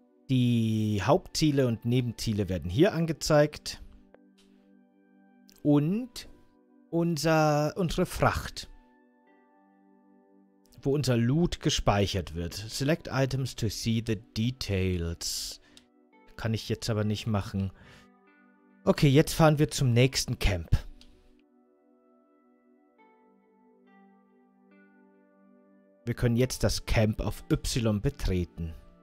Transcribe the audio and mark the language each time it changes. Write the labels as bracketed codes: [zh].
[de] Die Hauptziele und Nebenziele werden hier angezeigt. Und unsere Fracht, wo unser Loot gespeichert wird. [en] Select items to see the details. [de] Kann ich jetzt aber nicht machen. Okay, jetzt fahren wir zum nächsten Camp. Wir können jetzt das Camp auf Y betreten.